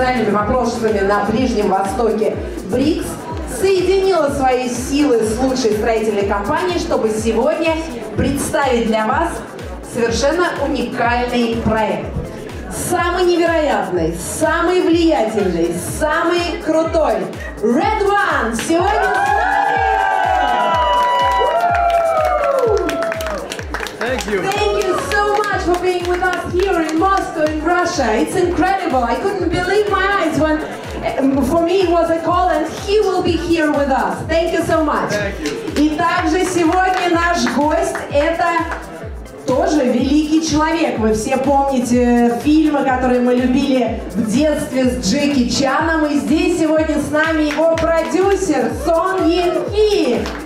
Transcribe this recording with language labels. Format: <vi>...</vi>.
<ru>Вопросами на Ближнем Востоке БРИКС соединила свои силы с лучшей строительной компанией, чтобы сегодня представить для вас совершенно уникальный проект. Самый невероятный, самый влиятельный, самый крутой Red One сегодня с нами!</ru> <en>Thank you. Thank you so much for being with us here in Moscow, in Russia. It's incredible. I couldn't believe my eyes when, for me, it was a call, and he will be here with us. Thank you so much. Thank you.</en> <ru>И также сегодня наш гость – это тоже великий человек. Вы все помните фильмы, которые мы любили в детстве с Джеки Чаном, и здесь сегодня с нами его продюсер Сон Йин Хи.</ru>